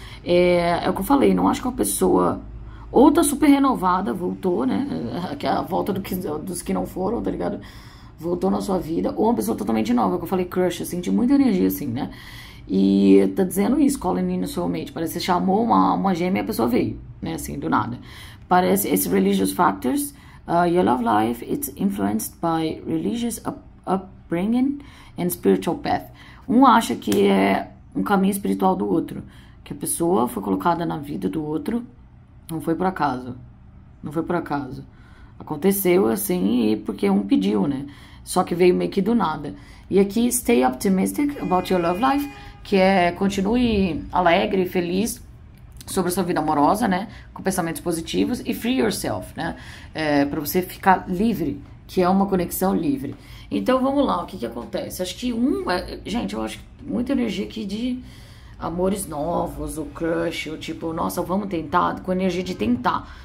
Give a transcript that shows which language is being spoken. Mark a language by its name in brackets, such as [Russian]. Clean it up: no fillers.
[Portuguese] É o que eu falei, não acho que uma pessoa ou tá super renovada, voltou, né? Que a volta dos que não foram, tá ligado? Voltou na sua vida, ou uma pessoa totalmente nova, que eu falei crush, assim, de muita energia, assim, né? E tá dizendo isso, [English] calling in your soulmate. [Portuguese] Parece que você chamou uma gêmea e a pessoa veio, né? Assim, do nada. Parece, [English] it's religious factors. Your love life, it's influenced by religious upbringing and spiritual path. [Portuguese] Um acha que é um caminho espiritual do outro, que a pessoa foi colocada na vida do outro, não foi por acaso. Não foi por acaso. Aconteceu assim e porque um pediu, né? Só que veio meio que do nada. E aqui, [English] stay optimistic about your love life. [Portuguese] Que é continue alegre e feliz sobre a sua vida amorosa, né? Com pensamentos positivos e [English] free yourself, [Portuguese] né? É, para você ficar livre, que é uma conexão livre. Então vamos lá, o que que acontece? Acho que gente, eu acho que muita energia aqui de amores novos, o crush, o tipo, nossa, vamos tentar, com energia de tentar.